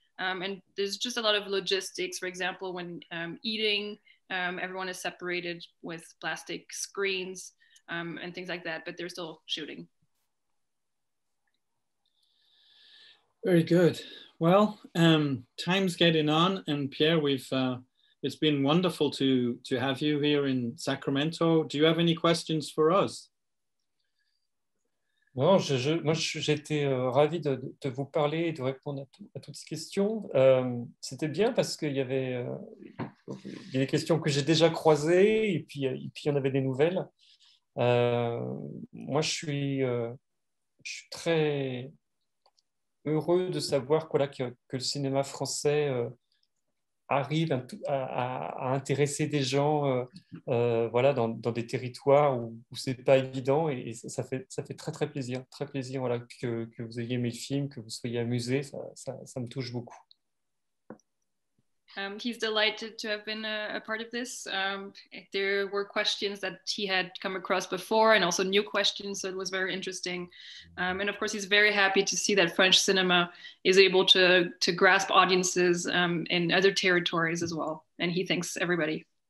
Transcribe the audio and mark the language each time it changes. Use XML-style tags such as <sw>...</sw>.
<en>And there's just a lot of logistics. For example, when eating, everyone is separated with plastic screens and things like that, but they're still shooting. Very good. Well, time's getting on, and Pierre, it's been wonderful to have you here in Sacramento. Do you have any questions for us?</en> <fr>Non, j'étais ravi de vous parler et de répondre à toutes ces questions. C'était bien parce qu'il y avait des questions que j'ai déjà croisées et puis il y en avait des nouvelles. Moi, je suis très heureux de savoir que le cinéma français arrive à intéresser des gens dans des territoires où ce n'est pas évident, et ça fait très très plaisir, très plaisir, voilà, que vous ayez aimé le film, que vous soyez amusé, ça me touche beaucoup.</fr> <en>He's delighted to have been a part of this. There were questions that he had come across before, and also new questions, so it was very interesting. And of course, he's very happy to see that French cinema is able to grasp audiences in other territories as well. And he thanks everybody.</en>